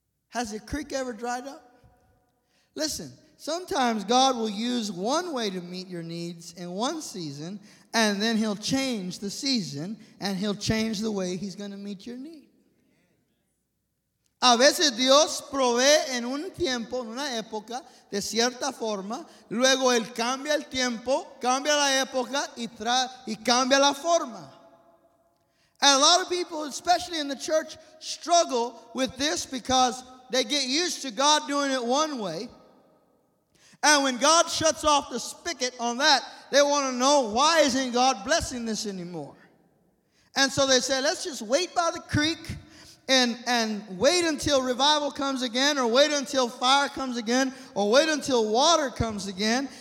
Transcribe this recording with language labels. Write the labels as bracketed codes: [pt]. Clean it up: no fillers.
[en] Has a creek ever dried up? Listen, sometimes God will use one way to meet your needs in one season, and then he'll change the season, and he'll change the way he's going to meet your need. [es] A veces Dios provee en un tiempo, en una época, de cierta forma. Luego Él cambia el tiempo, cambia la época y cambia la forma. [en] And a lot of people, especially in the church, struggle with this because they get used to God doing it one way. And when God shuts off the spigot on that, they want to know, why isn't God blessing this anymore? And so they say, let's just wait by the creek and wait until revival comes again, or wait until fire comes again, or wait until water comes again.